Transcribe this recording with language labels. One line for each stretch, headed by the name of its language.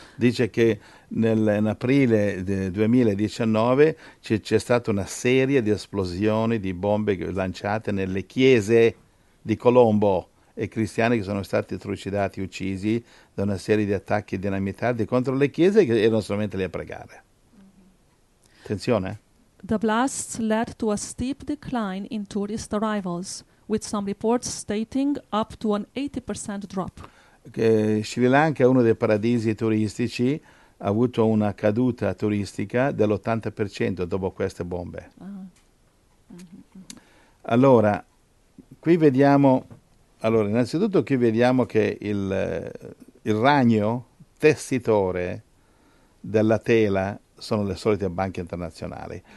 Italian: Dice che in aprile 2019 c'è stata una serie di esplosioni di bombe lanciate nelle chiese di Colombo e cristiani che sono stati trucidati, uccisi da una serie di attacchi dinamitardi contro le chiese che erano solamente lì a pregare. Attenzione.
English: The blasts led to a steep decline in tourist arrivals, with some reports stating up to an 80% drop.
Italian: Sri Lanka è uno dei paradisi turistici, ha avuto una caduta turistica dell'80% dopo queste bombe. Allora, qui vediamo, innanzitutto qui vediamo che il ragno tessitore della tela sono le solite banche internazionali.